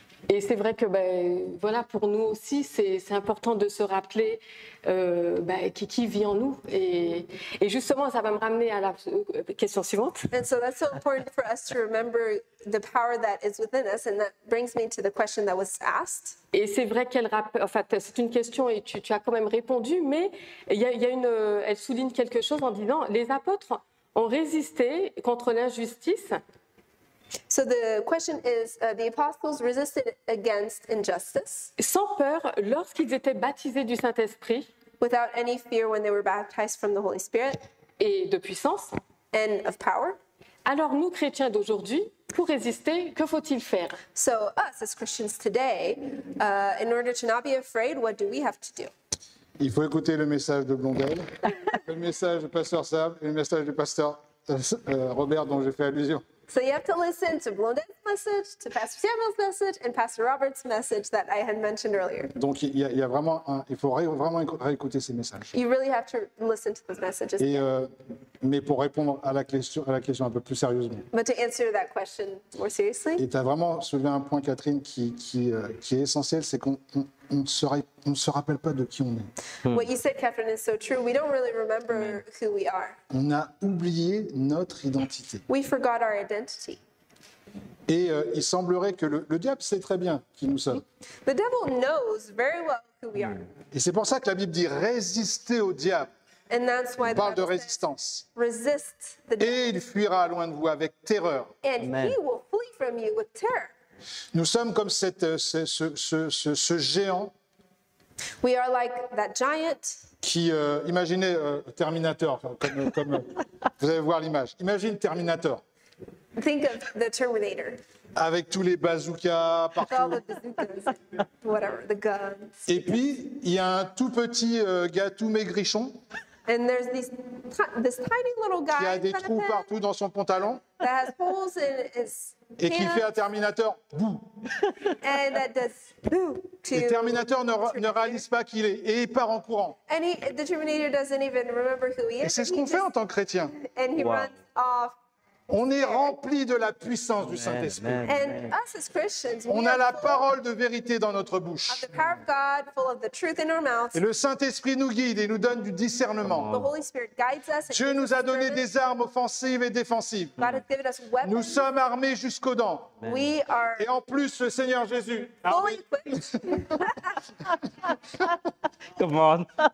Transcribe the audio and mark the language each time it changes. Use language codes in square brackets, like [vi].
[fr] Et c'est vrai que voilà, pour nous aussi, c'est important de se rappeler qui vit en nous. Et justement, ça va me ramener à la question suivante. [en] And so that's so important for us to remember the power that is within us, and that brings me to the question that was asked. [fr] Et c'est vrai qu'elle rappelle, en fait, c'est une question et tu as quand même répondu, mais elle souligne quelque chose en disant, les apôtres ont résisté contre l'injustice. [en] So the question is, the apostles resisted against injustice. [fr] Sans peur, lorsqu'ils étaient baptisés du Saint-Esprit. [en] Without any fear when they were baptized from the Holy Spirit. [fr] Et de puissance. [en] And of power. [fr] Alors nous, chrétiens d'aujourd'hui, pour résister, que faut-il faire? [en] So us, as Christians today, in order to not be afraid, what do we have to do? [fr] Il faut écouter le message de Blondel, le message du pasteur Sam et le message du pasteur Robert dont j'ai fait allusion. [en] So you have to listen to Blondin's message, to Pastor Samuel's message, and Pastor Robert's message that I had mentioned earlier. [fr] Donc il y a vraiment il faut vraiment réécouter ces messages. [en] You really have to listen to those messages. [fr] Et mais pour répondre à la question un peu plus sérieusement. [en] But to answer that question more seriously. [fr] Et t'as vraiment soulevé un point, Catherine, qui est essentiel, c'est qu'on ne se rappelle pas de qui on est. [en] What you said, Catherine, is so true. We don't really remember who we are. [fr] On a oublié notre identité. [en] We forgot our identity. [fr] Et il semblerait que le diable sait très bien qui nous sommes. [en] The devil knows very well who we are. [fr] Et c'est pour ça que la Bible dit résister au diable. [en] And that's why [fr] on parle de résistance. [en] Resist the devil. [fr] Et il fuira loin de vous avec terreur. [en] And Amen. He will flee from you with terror. [fr] Nous sommes comme ce géant. [en] We are like that giant. [fr] Qui, imaginez Terminator, comme vous allez voir l'image. [en] Imagine Terminator. Think of the Terminator. [fr] Avec tous les bazookas partout. [en] With all the bazookas, whatever, the guns. [fr] Et puis, il y a un tout petit gars tout maigrichon. [en] And there's this tiny little guy. [fr] Qui a des trous partout dans son pantalon. [en] That has holes in his. [fr] Et qui fait un Terminator, boum. [en] And that does boo to. [fr] Et Terminator ne réalise pas qui il est et il part en courant. [en] And the Terminator doesn't even remember who he is. [fr] Et c'est ce qu'on fait en tant que chrétien. [en] And he runs off. [fr] On est rempli de la puissance du Saint-Esprit. [en] Man, man, man. And us as Christians, [fr] on a la parole de vérité dans notre bouche. [en] Of the power of God, full of the truth in our mouth. [fr] Et le Saint-Esprit nous guide et nous donne du discernement. [en] The Holy Spirit guides us. [fr] Dieu nous a donné des armes offensives et défensives. [en] God has given us weapons. [fr] Nous sommes armés jusqu'aux dents. [en] We are. [fr] Et en plus, le Seigneur Jésus. [en] Fully equipped. Come on.